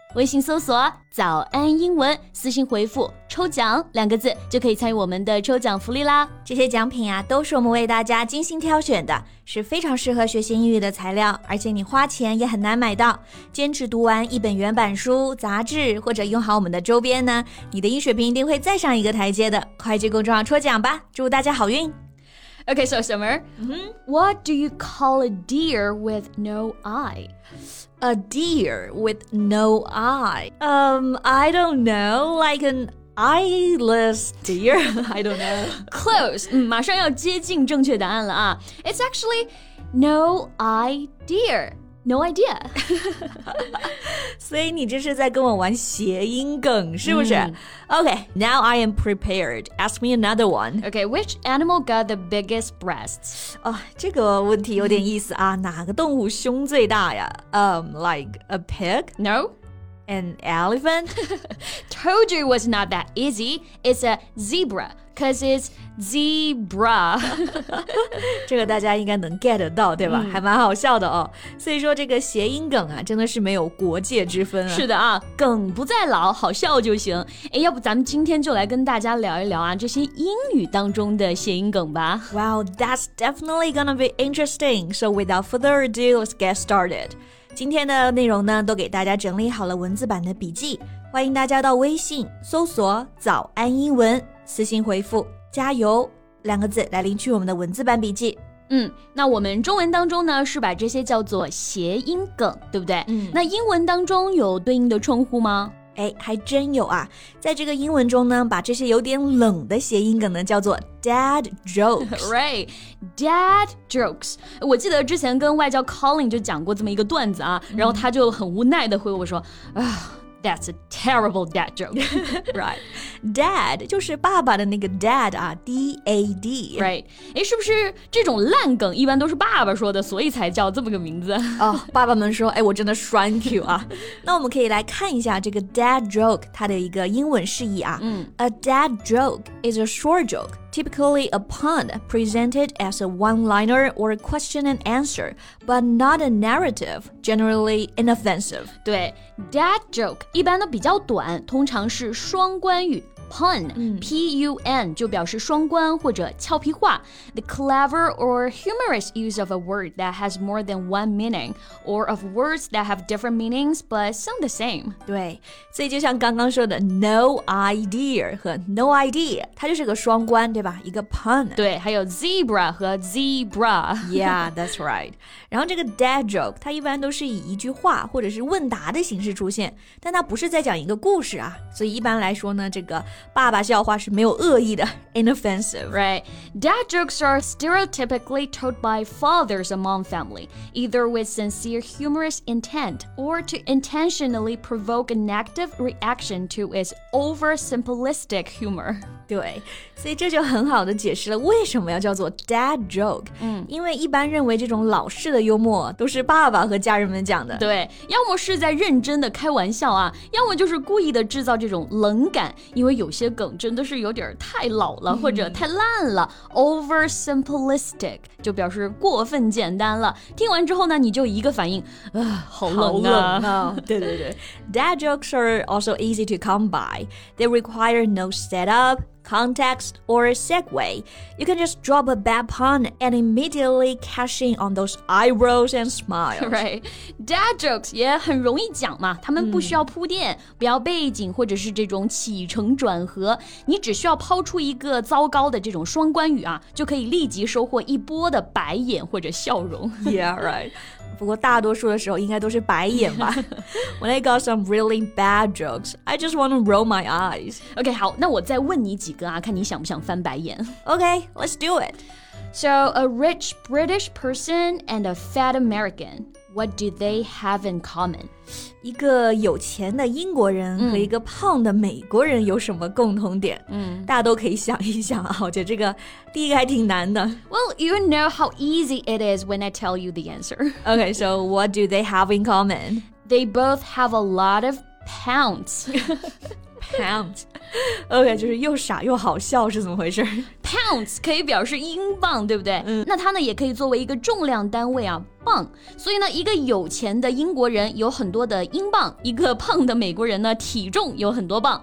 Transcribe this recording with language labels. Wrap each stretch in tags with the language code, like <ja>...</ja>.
<zh>微信搜索“早安英文”，私信回复“抽奖”两个字，就可以参与我们的抽奖福利啦。这些奖品啊，都是我们为大家精心挑选的，是非常适合学习英语的材料，而且你花钱也很难买到。坚持读完一本原版书、杂志，或者用好我们的周边呢，你的英水平一定会再上一个台阶的。快去公众号抽奖吧，祝大家好运！</zh> <en>Okay, so Summer,、what do you call a deer with no eye? A deer with no eye? I don't know, like an eyeless deer? I don't know.</en> <zh>Close, 马上要接近正确答案了啊。</zh> <en>It's actually no eye deer. No idea.</en> <zh>所以你这是在跟我玩谐音梗是不是、</zh> <en>Okay, now I am prepared. Ask me another one. Okay, which animal got the biggest breasts?</en> <zh>哦，这个问题有点意思啊。哪个动物胸最大呀？</zh> <en>Like a pig? No. An elephant? Told you it was not that easy. It's a zebra. Because it's zebra.</en> <zh>这个大家应该能 get 到对吧、还蛮好笑的哦。所以说这个谐音梗啊真的是没有国界之分啊。是的啊，梗不在老，好笑就行。哎，要不咱们今天就来跟大家聊一聊啊这些英语当中的谐音梗吧。</zh> <en>Wow, that's definitely gonna be interesting. So without further ado, let's get started.</en> <zh>今天的内容呢都给大家整理好了文字版的笔记。欢迎大家到微信搜索早安英文。私信回复加油两个字来领取我们的文字版笔记。那我们中文当中呢是把这些叫做谐音梗对不对？那英文当中有对应的称呼吗？哎，还真有啊。在这个英文中呢把这些有点冷的谐音梗呢叫做 dad jokes.</zh> <en>Right, dad jokes.</en> <zh>我记得之前跟外教 Colin 就讲过这么一个段子啊、然后他就很无奈的回我说</zh> <en>That's a terrible dad joke. Right.</en> <zh>Dad, 就是爸爸的那个 dad 啊 ,D-A-D.</zh> <en>Right.</en> <zh>诶，是不是这种烂梗一般都是爸爸说的，所以才叫这么个名字？哦，爸爸们说，诶，我真的</zh> <en>thank you</en> <zh>啊。那我们可以来看一下这个 dad joke, 它的一个英文释义啊。</zh> <en>A dad joke is a short joke. Typically a pun presented as a one-liner or a question and answer, but not a narrative, generally inoffensive.</en> <zh>对 ,dad joke 一般都比较短通常是双关语 pun,、P-U-N 就表示双关或者俏皮话</zh> <en>the clever or humorous use of a word that has more than one meaning, or of words that have different meanings but sound the same.</en> <zh>对所以就像刚刚说的 no idea 和 no idea, 它就是个双关对吧一个 pun 对还有 zebra 和 zebra</zh> <en>Yeah, that's right</en> <zh>然后这个 dad joke 它一般都是以一句话或者是问答的形式出现但它不是在讲一个故事啊所以一般来说呢这个爸爸笑话是没有恶意的 inoffensive</zh> <en>Right, dad jokes are stereotypically told by fathers among family either with sincere humorous intent or to intentionally provoke a negative reaction to its oversimplistic humor</en> <zh>对所以这就很好的解释了为什么要叫做 dad joke、因为一般认为这种老式的幽默都是爸爸和家人们讲的对要么是在认真的开玩笑啊要么就是故意的制造这种冷感因为有些梗真的是有点太老了、或者太烂了 oversimplistic 就表示过分简单了听完之后呢你就一个反应好冷 啊, 好冷啊对对对</zh> <en>dad jokes are also easy to come by they require no setupcontext or a segue you can just drop a bad pun and immediately cash in on those eyebrows and smiles</en> <zh>right dad jokes 也很容易讲嘛他们不需要铺垫、不要背景或者是这种起承转合你只需要抛出一个糟糕的这种双关语啊就可以立即收获一波的白眼或者笑容</zh> <en>yeah right</en> <zh>不过大多数的时候应该都是白眼吧</zh> <en>When I got some really bad jokes I just want to roll my eyes</en> <zh>OK 好那我再问你几个啊看你想不想翻白眼</zh> <en>OK let's do it So a rich British person and a fat American, what do they have in common?</en> <zh>一个有钱的英国人和一个胖的美国人有什么共同点？大家都可以想一想啊，我觉得这个第一个还挺难的。</zh> <en>Well, you know how easy it is when I tell you the answer. Okay, so what do they have in common? They both have a lot of pounds. Pounds.</en> <zh>Okay, 就是又傻又好笑是怎么回事？ Pounds 可以表示英镑，对不对？那它呢也可以作为一个重量单位啊，磅。所以呢，一个有钱的英国人有很多的英镑，一个胖的美国人呢体重有很多磅。</zh>